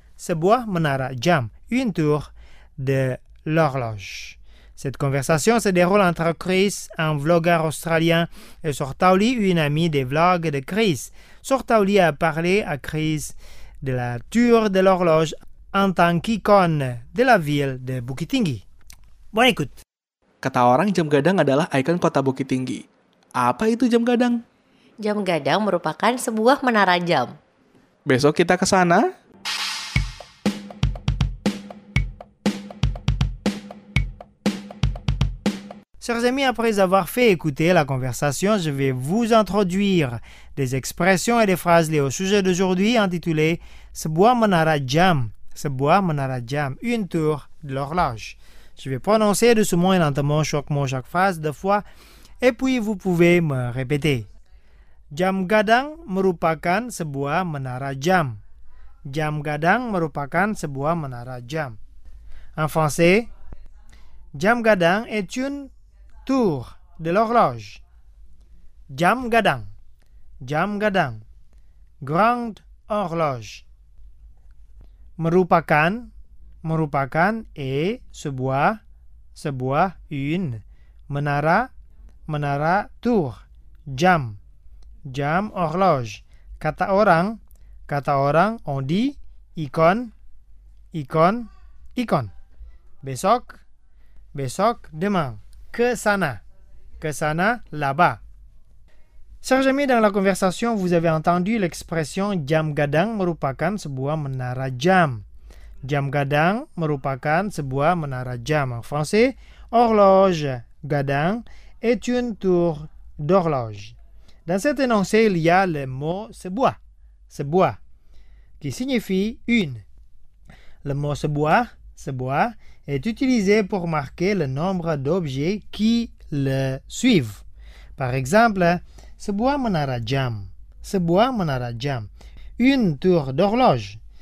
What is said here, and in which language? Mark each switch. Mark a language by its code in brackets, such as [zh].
[id] Sebuah menara jam, [fr] une tour de l'horloge. Cette conversation se déroule entre Chris, un vlogueur australien, et Sortauli, une amie des vlogs de Chris. Sortauli a parlé à Chris de la tour de l'horloge en tant qu'icône de la ville de Bukit Tinggi. Bon, écoute. [id] Kata orang, jam gadang adalah ikon kota Bukit Tinggi. Apa itu jam gadang? Jam gadang merupakan sebuah menara jam. Besok kita ke sana. [fr] Chers amis, après avoir fait écouter la conversation, je vais vous introduire des expressions et des phrases liées au sujet d'aujourd'hui intitulé [id] Sebuah menara jam. Sebuah menara jam, [fr] une tour de l'horloge. Je vais prononcer doucement et lentement chaque mot, chaque phrase deux fois et puis vous pouvez me répéter. [id] Jam gadang merupakan sebuah menara jam. Jam gadang merupakan sebuah menara jam. [fr] En français, jam gadang est une tour de l'horloge. [id] Jam gadang. Jam gadang. [fr] Grande horloge. [id] Merupakan, merupakan e sebuah, sebuah une menara, menara tour, jam, jam horloge. Kata orang, kata orang, [fr] on dit [id] ikon, ikon, ikon. Besok, besok, demain, ke sana, là-bas. [fr] Chers amis, dans la conversation, vous avez entendu l'expression [id] jam gadang merupakan sebuah menara jam. Jam gadang merupakan sebuah menara jam. [fr] En français, horloge gadang est une tour d'horloge. Dans cet énoncé, il y a le mot sebuah, sebuah, qui signifie une. Le mot sebuah, sebuah, est utilisé pour marquer le nombre d'objets qui le suivent. Par exemple, [id] sebuah menara jam, sebuah menara jam, [fr] une tour d'horloge.